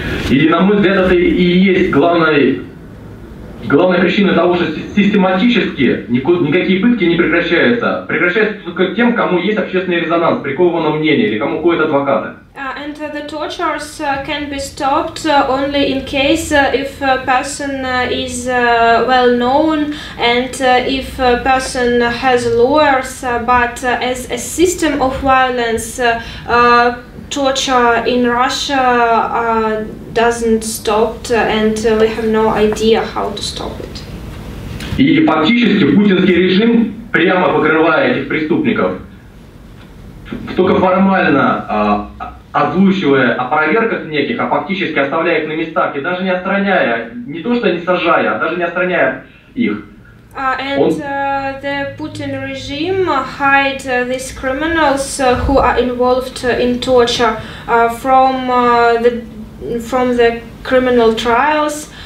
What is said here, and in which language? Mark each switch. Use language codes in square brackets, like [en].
[ru] И на мой взгляд, это и есть главная причина того, что систематически никакие пытки не прекращаются. Прекращаются только тем, кому есть общественный резонанс, приковано мнение или кому ходят адвокаты. [en] And the tortures can be stopped only in case if a person is well known and if a person has lawyers, but as a system of violence, torture in Russia doesn't stop, and we have no idea how to stop it. [ru] И фактически путинский режим прямо покрывает этих преступников. Только формально озвучивая о проверках неких, а фактически оставляя их на местах, и даже не отстраняя, не то что не сажая, а даже не отстраняя их. [en] And the Putin regime hide these criminals who are involved in torture from the criminal trials.